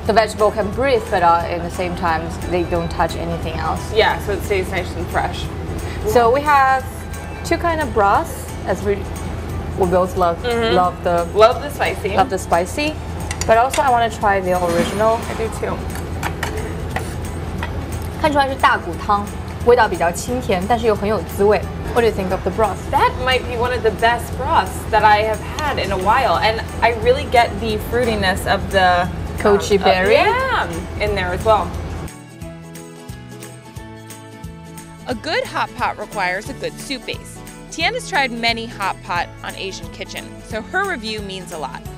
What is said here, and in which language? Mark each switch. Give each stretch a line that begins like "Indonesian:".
English: The vegetable can breathe, but at the same time, they don't touch anything else. Yeah, so it stays nice and fresh. So we have two kind of broths, as we both love, love the spicy. Love the spicy. But also, I want to try the original. I do too.
Chinese: 看出来是大骨汤，味道比较清甜，但是又很有滋味.
English: What do you think of the broth? That might be one of the best broths that I have had in a while, and I really get the fruitiness of the kochi berry in there as well. A good hot pot requires a good soup base. Tian has tried many hot pot on Asian Kitchen, so her review means a lot.